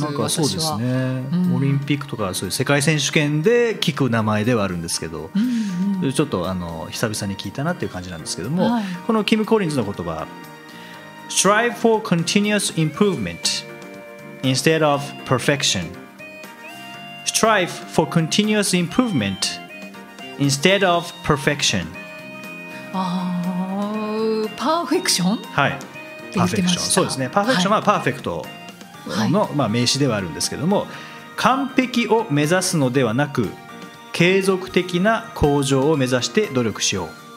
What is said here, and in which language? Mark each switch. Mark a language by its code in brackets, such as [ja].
[ja] なんかそうですね、オリンピックとかそういう世界選手権で聞く名前ではあるんですけど、うんうん、ちょっとあの久々に聞いたなっていう感じなんですけども、はい、このキム・コリンズの言葉、 [en] Strive for continuous improvement instead of perfection. Strive for continuous improvement instead of perfection. [ja] パーフェクション？はい。パーフェクション。そうですね。パーフェクションはパーフェクトの、はい、まあ、名詞ではあるんですけども、完璧を目指すのではなく、継続的な向上を目指して努力しよう。